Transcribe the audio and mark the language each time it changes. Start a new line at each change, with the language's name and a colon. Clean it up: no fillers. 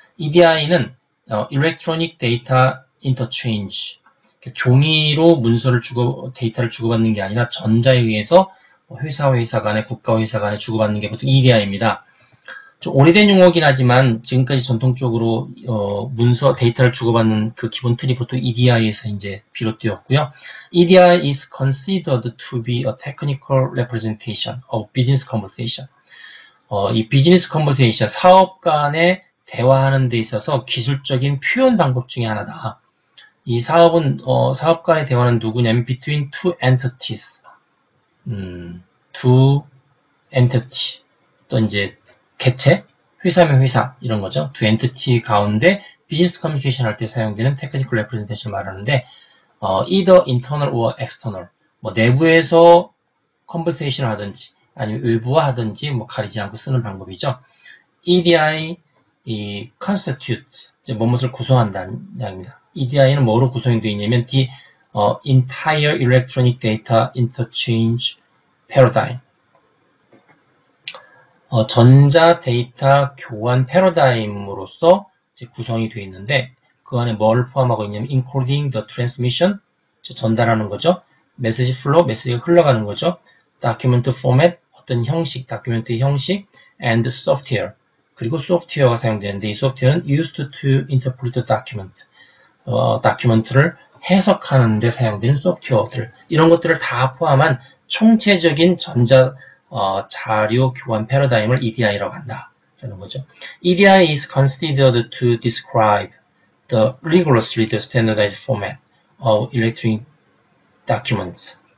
Korean: EDI는 Electronic Data Interchange, 종이로 데이터를 주고받는 게 아니라 전자에 의해서 회사와 회사 간에, 국가와 회사 간에 주고받는 게 보통 EDI입니다. 좀 오래된 용어긴 하지만 지금까지 전통적으로 문서 데이터를 주고받는 그 기본 틀이 보통 EDI에서 이제 비롯되었고요.
English: EDI is considered to be a technical representation of business conversation.
Korean: 이 business conversation 사업 간의 대화하는 데 있어서 기술적인 표현 방법 중에 하나다. 이 사업은 사업 간의 대화는 누구냐면
English: between two entities,
Korean: two entity 또 이제 개체, 회사면 회사 이런 거죠. 두 엔티티 가운데 비즈니스 커뮤니케이션 할때 사용되는 테크니컬 레프레젠테이션 말하는데,
English: either internal or external,
Korean: 뭐 내부에서 컨버세이션을 하든지 아니면 외부화 하든지 뭐 가리지 않고 쓰는 방법이죠. EDI 이 constitutes 무엇을 구성한다는 말입니다. EDI는 뭐로 구성되어 있냐면
English: the entire electronic data interchange paradigm.
Korean: 전자 데이터 교환 패러다임으로서 이제 구성이 되어 있는데 그 안에 뭘 포함하고 있냐면
English: encoding the transmission,
Korean: 전달하는 거죠. 메시지 플로우, 메시지가 흘러가는 거죠. 다큐멘트 포맷, 어떤 형식, 다큐멘트의 형식, and software. 그리고 소프트웨어가 사용되는데 이 소프트웨어는
English: used to interpret document.
Korean: 다큐멘트를 해석하는 데 사용되는 소프트웨어들. 이런 것들을 다 포함한 총체적인 자료 교환 패러다임을 EDI라고 한다. 라는 거죠.
English: EDI is considered to describe the rigorously the standardized format of electronic documents.